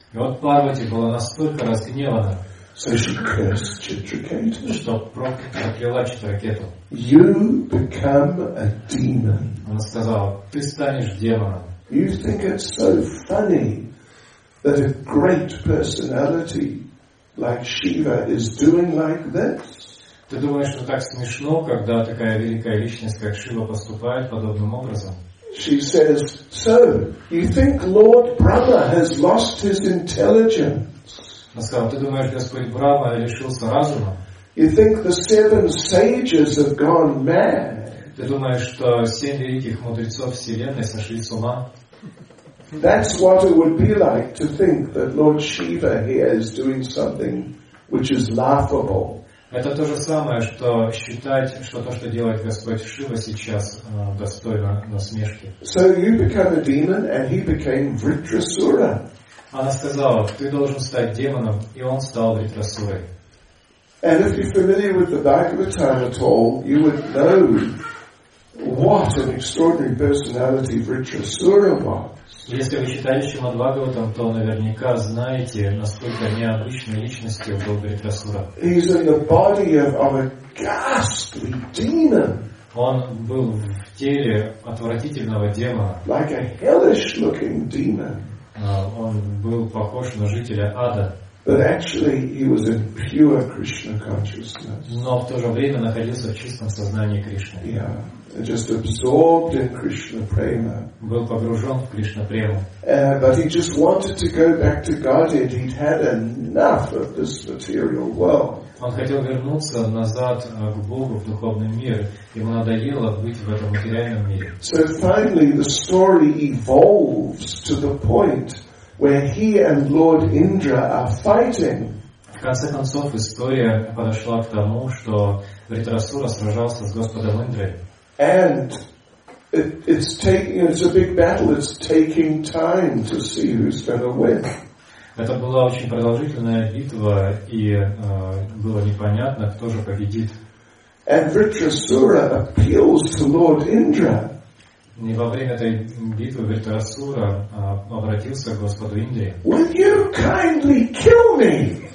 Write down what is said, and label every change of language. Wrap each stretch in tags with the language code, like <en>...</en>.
<ru>И вот Парвати была настолько разгневана,</ru> <en>so she cursed Chitraketu.</en> <ru>Что прокляла Читракету.</ru> <en>You become a demon.</en> <ru>Она сказала, ты станешь демоном.</ru> <en>You think it's so funny that a great personality like Shiva is doing like this?</en> <ru>Ты думаешь, что так смешно, когда такая великая личность, как Шива, поступает подобным образом?</ru> <en>She says, "So, you think Lord Brahma has lost his intelligence?"</en> <ru>Она сказала, ты думаешь, Господь Брама лишился разума?</ru> <en>You think the seven sages have gone mad?</en> <ru>Ты думаешь, что семь великих мудрецов вселенной сошли с ума?</ru> <en>That's what it would be like to think that Lord Shiva here is doing something which is laughable.</en> <ru>Это то же самое, что считать, что то, что делает Господь Шива сейчас, достойно насмешки.</ru> <en>So you become a demon, and he became Vritrasura.</en> <ru>Она сказала, ты должен стать демоном, и он стал Вритрасурой.</ru> <en>And if you're familiar with the Bhagavatam at all, you would know what an extraordinary personality Vritrasura was.</en> <ru>Если вы читали Шримад-Бхагаватам, то наверняка знаете, насколько необычной личностью был Вритрасура.</ru> <en>He's in the body of a ghastly demon.</en> <ru>Он был в теле отвратительного демона.</ru> <en>Like a hellish-looking demon.</en> <ru>Он был похож на жителя ада.</ru> <en>But actually, he was in pure Krishna consciousness.</en> <ru>Но в то же время находился в чистом сознании Кришны.</ru> <en>Yeah. Just absorbed in Krishna prema.</en> <ru>Был погружен в Кришна прему.</ru> <en>But he just wanted to go back to Godhead. He'd had enough of this material world.</en> <ru>Он хотел вернуться назад к Богу в духовный мир. Ему надоело быть в этом материальном мире.</ru> <en>So finally, the story evolves to the point where he and Lord Indra are fighting.</en> <ru>В конце концов, история подошла к тому, что Вритрасура сражался с Господом Индрой.</ru> <en>And it's a big battle. It's taking time to see who's going to win.</en> <ru>Это была очень продолжительная битва, и было непонятно, кто же победит.</ru> <en>And Vritrasura appeals to Lord Indra.</en> <ru>И во время этой битвы Вритрасура обратился к Господу Индре.</ru> <en>Will you kindly kill me?</en>